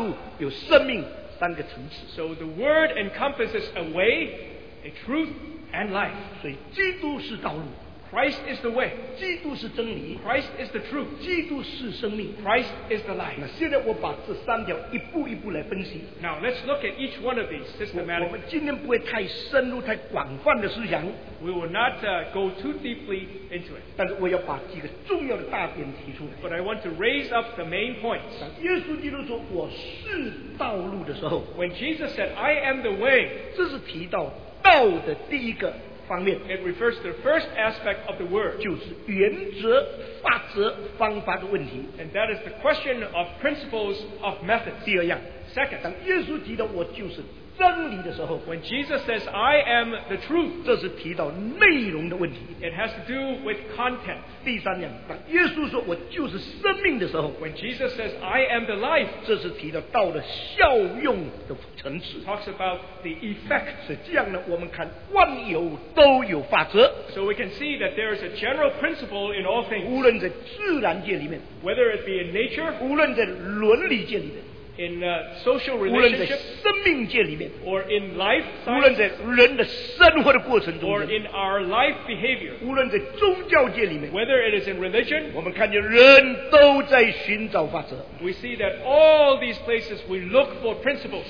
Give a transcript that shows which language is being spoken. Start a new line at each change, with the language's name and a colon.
Chinese: 所以道里面有真理、有道路、有生命三个层次。
English: So the Word encompasses a way, a truth, and life.
Chinese: 所以基督是道路。
English: Christ is the way.
Chinese: 基督是真理。
English: Christ is the truth.
Chinese: 基督是生命。
English: Christ is the life.
Chinese: 那现在我把这三条一步一步来分析。
English: Now let's look at each one of these systematically.
Chinese: 我们今天不会太深入、太广泛的思想。
English: We will not go too deeply into it.
Chinese: 但是我要把几个重要的大点提出来。
English: But I want to raise up the main points.
Chinese: 当耶稣基督说我是道路的时候，
English: When Jesus said, I am the way,
Chinese: 这是提到道的第一个。
English: It refers to the first aspect of the word.
Chinese: 就是原则、法则、方法的问题。
English: And that is the question of principles of methods.
Chinese: 第二样,
English: second,
Chinese: 当耶稣提到我就是真理的时候,
English: when Jesus says, I am the truth,
Chinese: 这是提到内容的问题。
English: It has to do with content.
Chinese: 第三样, 当耶稣说我就是生命的时候,
English: when Jesus says, I am the life,
Chinese: 这是提到道的效用的层次。
English: Talks about the effect.
Chinese: 所以这样呢, 我们看万有都有法则。
English: So we can see that there is a general principle in all things.
Chinese: 无论在自然界里面,
English: whether it be in nature,
Chinese: 无论在伦理界里面,
English: in social relationships, or in life science, or in our life behavior,
Chinese: 无论在宗教界里面,
English: whether it is in religion,
Chinese: 我们看见人都在寻找法则,
English: we see that all these places we look for principles.